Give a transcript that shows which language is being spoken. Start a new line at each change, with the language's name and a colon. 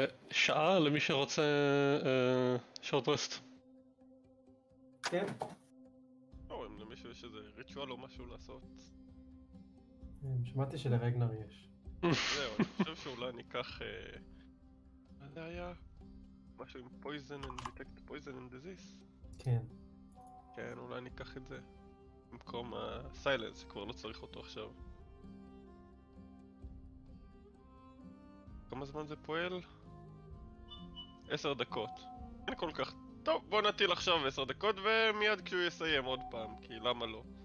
Hebrew: שעה למי שרוצה שורט רסט. כן. או, אם למי שיש איזה ריטואל או משהו לעשות. שמעתי שלרגנר יש. זהו, אני חושב שאולי אני אקח... מה זה היה? משהו עם
English: poison and detect poison and disease?
Hebrew: כן. כן, אולי אני אקח את זה. במקום הסיילנס, שכבר לא צריך אותו עכשיו. כמה זמן זה פועל? 10 דקות. אין כל כך. טוב, בוא נטיל עכשיו 10 דקות ומיד כשהוא יסיים עוד פעם, כי למה לא?